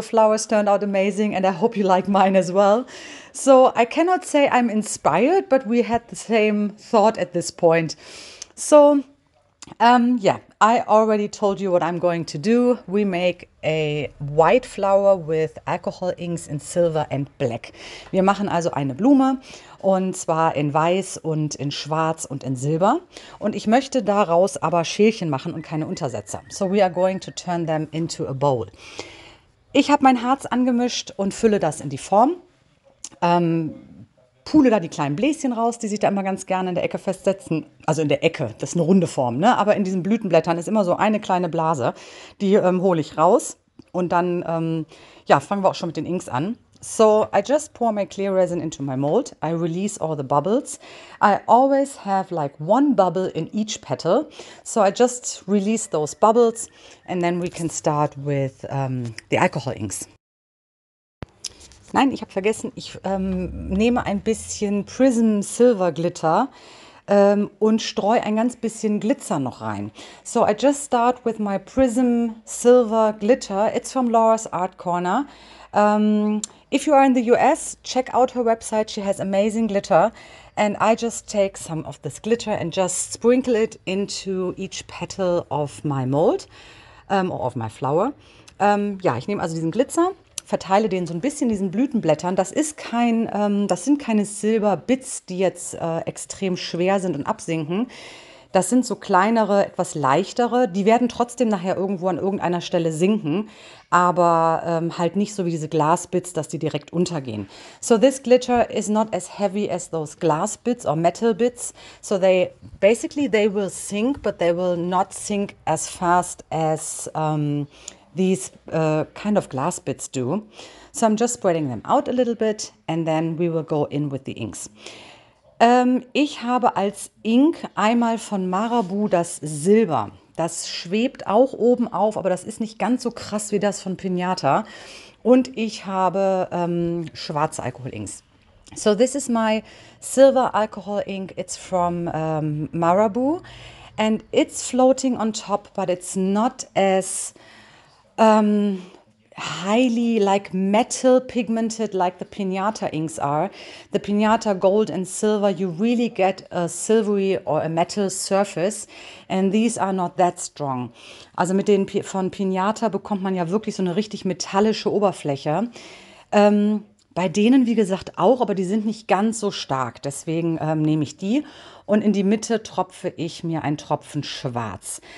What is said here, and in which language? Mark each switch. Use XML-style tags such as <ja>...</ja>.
<en>Your flowers turned out amazing and I hope you like mine as well. So I cannot say I'm inspired, but we had the same thought at this point. So I already told you what I'm going to do. We make a white flower with alcohol inks in silver and black.</en> <de>Wir machen also eine Blume und zwar in weiß und in schwarz und in silber. Und ich möchte daraus aber Schälchen machen und keine Untersetzer.</de> <en>So we are going to turn them into a bowl.</en> <de>Ich habe mein Harz angemischt und fülle das in die Form. Pule da die kleinen Bläschen raus, die sich da immer ganz gerne in der Ecke festsetzen. Also in der Ecke, das ist eine runde Form, ne? Aber in diesen Blütenblättern ist immer so eine kleine Blase. Die hole ich raus und dann fangen wir auch schon mit den Inks an.</de> <en>So, I just pour my clear resin into my mold. I release all the bubbles. I always have like one bubble in each petal. So I just release those bubbles and then we can start with the alcohol inks.</en> <de>Nein, ich habe vergessen, ich nehme ein bisschen Prism Silver Glitter und streue ein ganz bisschen Glitzer noch rein.</de> <en>So, I just start with my Prism Silver Glitter. It's from Laura's Art Corner. If you are in the US, check out her website. She has amazing glitter. And I just take some of this glitter and just sprinkle it into each petal of my mold or of my flower.</en> <de>Ich nehme also diesen Glitzer. Verteile den so ein bisschen diesen Blütenblättern. Das ist kein, das sind keine Silberbits, die jetzt extrem schwer sind und absinken. Das sind so kleinere, etwas leichtere. Die werden trotzdem nachher irgendwo an irgendeiner Stelle sinken, aber halt nicht so wie diese Glasbits, dass die direkt untergehen.</de> <en>So this glitter is not as heavy as those glass bits or metal bits. So they will sink, but they will not sink as fast as these kind of glass bits do. So I'm just spreading them out a little bit and then we will go in with the inks.</en> <de>Ich habe als Ink einmal von Marabu das Silber. Das schwebt auch oben auf, aber das ist nicht ganz so krass wie das von Pinata. Und ich habe schwarze Alkoholinks.</de> <en>So this is my silver alcohol ink. It's from Marabu and it's floating on top, but it's not as highly like metal pigmented like the Pinata inks are. The Pinata gold and silver, you really get a silvery or a metal surface and these are not that strong.</en> <de>Also mit den von Pinata bekommt man ja wirklich so eine richtig metallische Oberfläche. Bei denen, wie gesagt, auch, aber die sind nicht ganz so stark. Deswegen nehme ich die und in die Mitte tropfe ich mir einen Tropfen schwarz.</de>